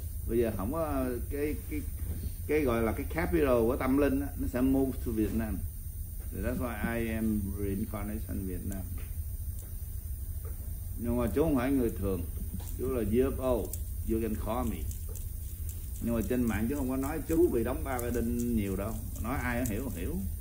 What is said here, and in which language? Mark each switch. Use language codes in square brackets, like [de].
[vi] Bây giờ không có cái gọi là cái capital của tâm linh á, nó sẽ [en] move to [vi] Việt Nam. [en] That's why I am reincarnation Việt Nam. [vi] Nhưng mà chú không phải người thường, chú là UFO, [en] you can call me. [vi] Nhưng mà trên mạng chú không có nói chú bị đóng ba cái đinh nhiều đâu, nói ai cũng hiểu.